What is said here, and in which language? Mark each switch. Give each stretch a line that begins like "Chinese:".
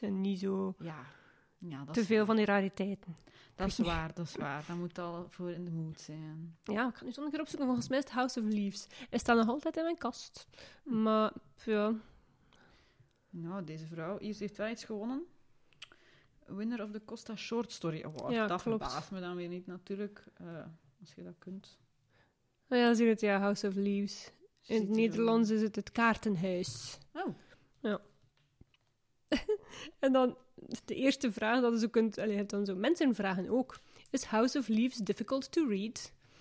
Dutch: En niet zo te veel van die rariteiten. Dat is waar, dat is waar. Dat moet al voor in de mood zijn. Ja, ik ga nu zo nog keer opzoeken. Volgens mij is het House of Leaves. Hij staat nog altijd in mijn kast. Maar, ja. Nou, deze vrouw. Hier heeft wel iets gewonnen.
English: Winner of the Costa Short Story Award.
Dutch: Ja, dat klopt. Verbaast me dan weer niet, natuurlijk. Als je dat kunt. Oh ja, zie je het. Ja, House of Leaves. In het Nederlands is het Kaartenhuis. Oh. Ja. En dan... De eerste vraag dat ze kunt... Allee, het dan zo. Mensen vragen ook.
English: Is House of Leaves difficult to read?